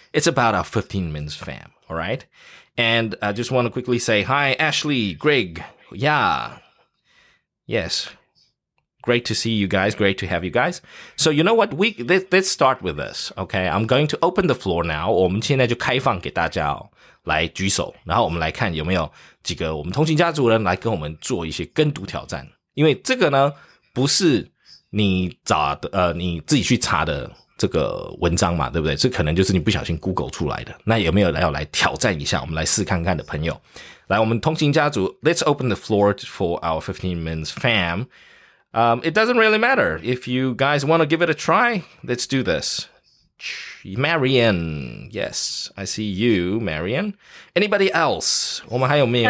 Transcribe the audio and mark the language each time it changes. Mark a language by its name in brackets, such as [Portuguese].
[English] It's about our 15 Minutes fam, all right? And I just want to quickly say, hi, Ashley, Greg, yeah, yes, Great to see you guys. Great to have you guys. So you know what? Let's start with this. Okay, I'm going to open the floor now. [Chinese] 我们现在就开放给大家哦，来举手，然后我们来看有没有几个我们通勤家族人来跟我们做一些跟读挑战。因为这个呢，不是你找的你自己去查的这个文章嘛，对不对？这可能就是你不小心 Google 出来的。那有没有要来挑战一下？我们来试看看的朋友，来，我们通勤家族 ， [English] Let's open the floor for our 15 minutes fam。 It doesn't really matter. If you guys want to give it a try, let's do this. Marianne. Yes, I see you, Marianne. Anybody else? [Chinese] 我们还有没有